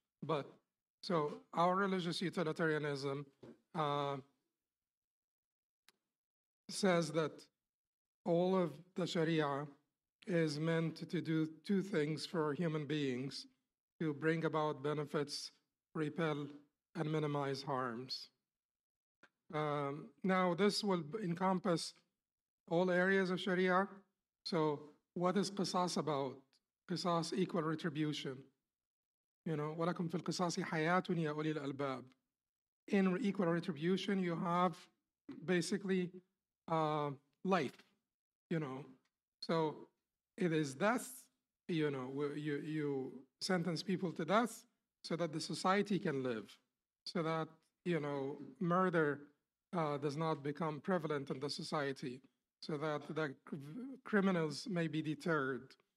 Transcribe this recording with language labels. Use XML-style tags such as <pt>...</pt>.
<en>But so our religious utilitarianism says that all of the Sharia is meant to do 2 things for human beings: to bring about benefits, repel, and minimize harms. Now, this will encompass all areas of Sharia. So what is qisas about? Qisas, equal retribution. You know,</en> <ar>وَلَكُمْ فِي الْقِصَاصِ حَيَاتٌ يَا أُولِي الْأَلْبَابِ.</ar> <en>In equal retribution, you have basically life, you know. So it is death, you know, you sentence people to death so that the society can live, so that, you know, murder does not become prevalent in the society, so that the criminals may be deterred.</en>